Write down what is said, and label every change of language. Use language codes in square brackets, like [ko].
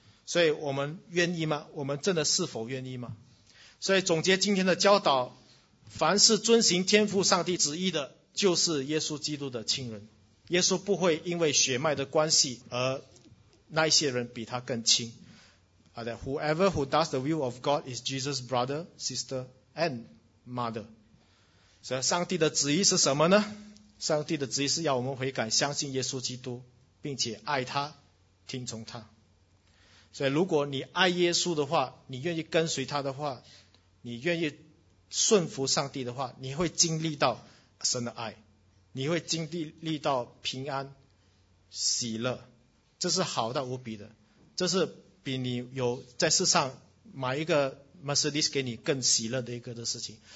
[zh] 所以我们愿意吗？我们真的是否愿意吗？所以总结今天的教导，凡是遵行天父上帝旨意的，就是耶稣基督的亲人。耶稣不会因为血脉的关系而那些人比他更亲。 [en] That whoever who does the will of God is Jesus' brother, sister and mother. [zh] 所以上帝的旨意是什么呢？上帝的旨意是要我们悔改，相信耶稣基督，并且爱他，听从他。所以如果你爱耶稣的话，你愿意跟随他的话，你愿意顺服上帝的话，你会经历到神的爱，你会经历到平安喜乐，这是好到无比的，这是比你有在世上买一个 Mercedes 给你更喜乐的一个的事情。